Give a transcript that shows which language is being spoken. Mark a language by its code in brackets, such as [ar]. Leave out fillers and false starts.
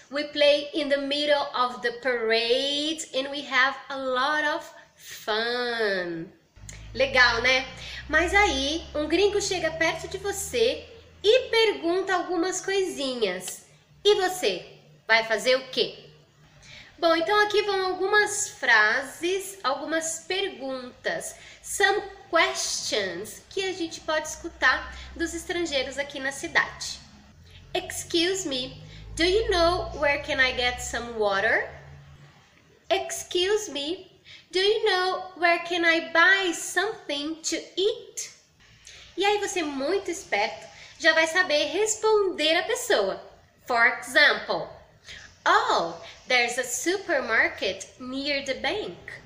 [en] We play in the middle of the parades. And we have a lot of fun. [pt] Legal, né? Mas aí, um gringo chega perto de você e pergunta algumas coisinhas. E você? Vai fazer o quê? Bom, então aqui vão algumas frases, algumas perguntas. [en] Some questions [pt] que a gente pode escutar dos estrangeiros aqui na cidade. [en] Excuse me, do you know where can I get some water? Excuse me, do you know where can I buy something to eat? [pt] E aí você, muito esperto, já vai saber responder a pessoa. [en] For example, oh, there's a supermarket near the bank.